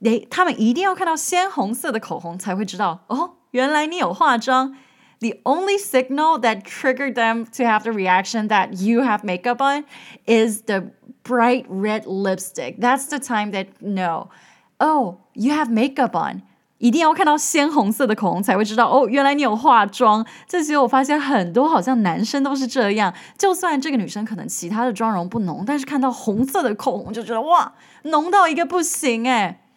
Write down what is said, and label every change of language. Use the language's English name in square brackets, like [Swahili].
[Chinese] 他们一定要看到鲜红色的口红才会知道哦，原来你有化妆。 [English] The only signal that triggered them to have the reaction that you have makeup on is the bright red lipstick. That's the time that, no, oh, you have makeup on. [Chinese] 一定要看到鲜红色的口红才会知道哦，原来你有化妆。这其实我发现很多好像男生都是这样。就算这个女生可能其他的妆容不浓，但是看到红色的口红就觉得哇，浓到一个不行哎。